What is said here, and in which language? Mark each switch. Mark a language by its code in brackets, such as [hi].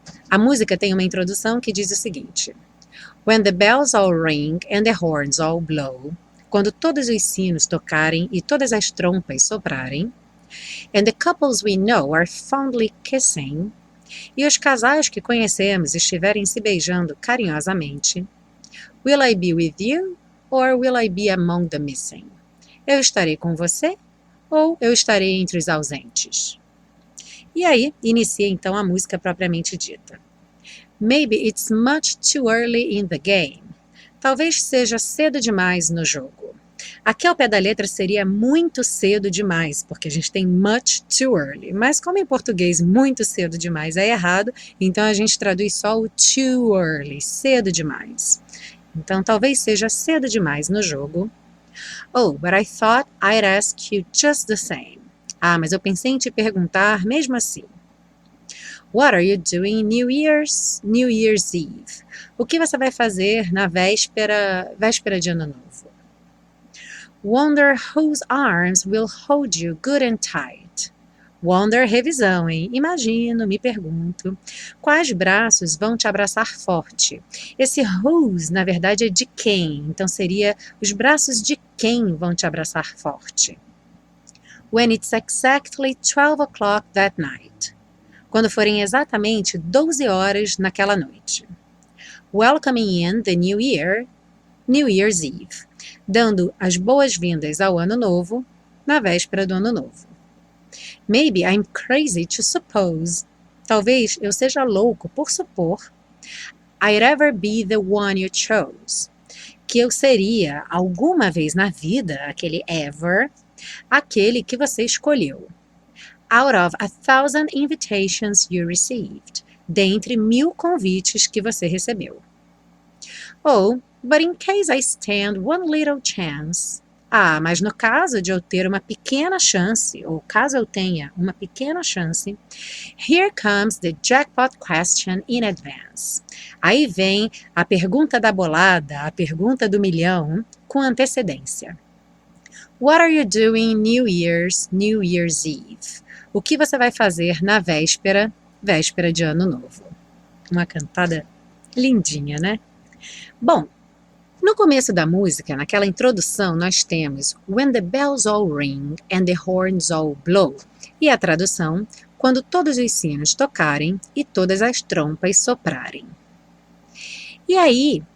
[en] A música tem uma introdução que diz o seguinte: When the bells all ring and the horns all blow, [pt] quando todos os sinos tocarem e todas as trompas soprarem, [en] and the couples we know are fondly kissing, [pt] e os casais que conhecemos estiverem se beijando carinhosamente, [en] will I be with you or will I be among the missing? [pt] Eu estarei com você ou eu estarei entre os ausentes? E aí, inicia então a música propriamente dita. [en] Maybe it's much too early in the game. [pt] Talvez seja cedo demais no jogo. Aqui ao pé da letra seria muito cedo demais, porque a gente tem [en] much too early. [pt] Mas como em português muito cedo demais é errado, então a gente traduz só o too early, cedo demais. Então talvez seja cedo demais no jogo. [en] Oh, but I thought I'd ask you just the same. [pt] Ah, mas eu pensei em te perguntar mesmo assim. [en] What are you doing New Year's Eve? [pt] O que você vai fazer na véspera de ano novo? [en] Wonder whose arms will hold you good and tight. [pt] Wonder, revisão, hein? Imagino, me pergunto. Quais braços vão te abraçar forte? Esse whose, na verdade, é de quem. Então, seria os braços de quem vão te abraçar forte. [en] When it's exactly 12 o'clock that night. [pt] Quando forem exatamente 12 horas naquela noite. [en] Welcoming in the new year, New Year's Eve. [pt] Dando as boas-vindas ao ano novo, na véspera do ano novo. [en] Maybe I'm crazy to suppose, [pt] talvez eu seja louco por supor, [en] I'd ever be the one you chose, [pt] que eu seria alguma vez na vida, aquele ever, aquele que você escolheu. [en] Out of 1,000 invitations you received, [pt] dentre 1,000 convites que você recebeu. [en] Ou, but in case I stand one little chance. [pt] Ah, mas no caso de eu ter uma pequena chance, ou caso eu tenha uma pequena chance, [en] here comes the jackpot question in advance. [pt] Aí vem a pergunta da bolada, a pergunta do milhão, com antecedência. [en] What are you doing New Year's Eve? [pt] O que você vai fazer na véspera, véspera de ano novo? Uma cantada lindinha, né? Bom, no começo da música, naquela introdução, nós temos [en] When the bells all ring and the horns all blow. [pt] E a tradução, quando todos os sinos tocarem e todas as trompas soprarem. E aí,